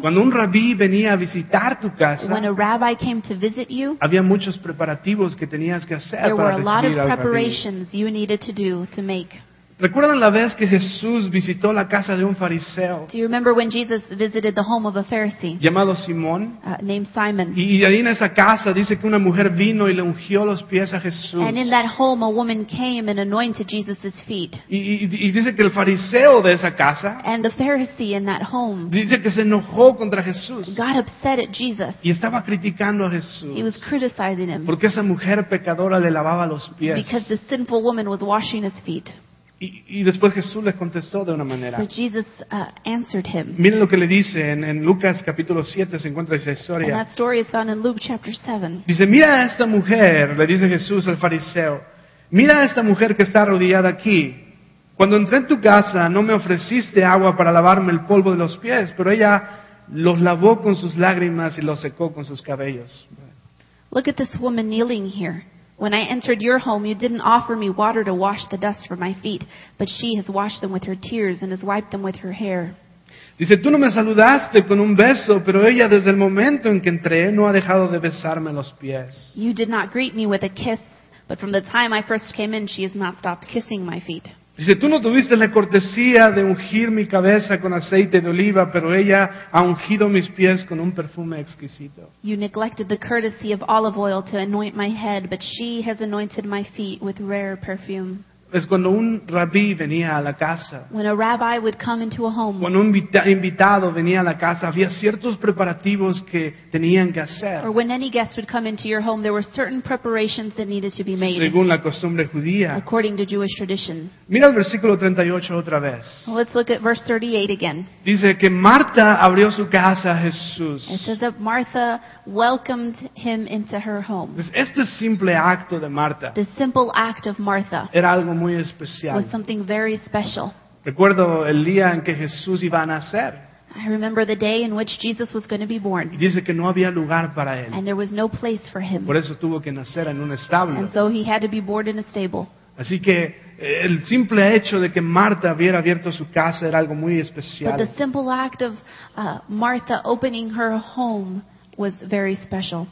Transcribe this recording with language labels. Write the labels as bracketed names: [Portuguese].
[Spanish] cuando un rabí venía a visitar tu casa, [English] when a rabbi came to visit you, [Spanish] había muchos preparativos que tenías que hacer para recibir al rabí. [English] There were a lot of preparations you needed to do to make. [Spanish] ¿Recuerdan la vez que Jesús visitó la casa de un fariseo? [English] Do you remember when Jesus visited the home of a Pharisee? [Spanish] Llamado Simón. [English] Named Simon. [Spanish] Y ahí en esa casa dice que una mujer vino y le ungió los pies a Jesús. [English] And in that home a woman came and anointed Jesus' feet. [Spanish] Y dice que el fariseo de esa casa, [English] and the Pharisee in that home, [Spanish] dice que se enojó contra Jesús. [English] Got upset at Jesus. [Spanish] Y estaba criticando a Jesús. [English] He was criticizing him. [Spanish] Porque esa mujer pecadora le lavaba los pies. [English] Because the sinful woman was washing his feet. [Spanish] Y después Jesús les contestó de una manera. [English] But Jesus answered him. [Spanish] Miren lo que le dice en Lucas capítulo 7, se encuentra esa historia. [English] And that story is found in Luke chapter 7. [Spanish] Dice, mira a esta mujer, le dice Jesús al fariseo. Mira a esta mujer que está arrodillada aquí. Cuando entré en tu casa, no me ofreciste agua para lavarme el polvo de los pies, pero ella los lavó con sus lágrimas y los secó con sus cabellos. [English] Look at this woman kneeling here. When I entered your home, you didn't offer me water to wash the dust from my feet, but she has washed them with her tears and has wiped them with her hair. [Spanish] Dice, tú no me saludaste con un beso, pero ella desde el momento en que entré no ha dejado de besarme los pies. [English] You did not greet me with a kiss, but from the time I first came in, she has not stopped kissing my feet. [Spanish] Dice, tú no tuviste la cortesía de ungir mi cabeza con aceite de oliva, pero ella ha ungido mis pies con un perfume exquisito. [English] You neglected the courtesy of olive oil to anoint my head, but she has anointed my feet with rare perfume. [Spanish] Es cuando un rabí venía a la casa. [English] When a rabbi would come into a home. [Spanish] Cuando un invitado venía a la casa, había ciertos preparativos que tenían que hacer. [English] Or when any guest would come into your home, there were certain preparations that needed to be made. [Spanish] Según la costumbre judía. [English] According to Jewish tradition. [Spanish] Mira el versículo 38 otra vez. [English] Well, let's look at verse 38 again. [Spanish] Dice que Marta abrió su casa a Jesús. [English] It says that Martha welcomed him into her home. [Spanish] Este simple acto de Marta. [English] The simple act of Martha. [Spanish] Era algo muy especial. [English] Was something very special. [Spanish] Recuerdo el día en que Jesús iba a nacer. [English] I remember the day in which Jesus was going to be born. [Spanish] Y dice que no había lugar para él. [English] And there was no place for him. [Spanish] Por eso tuvo que nacer en un establo. [English] And so he had to be born in a stable. [Spanish] Así que el simple hecho de que Marta hubiera abierto su casa era algo muy especial. [English] But the simple act of Martha opening her home was very special.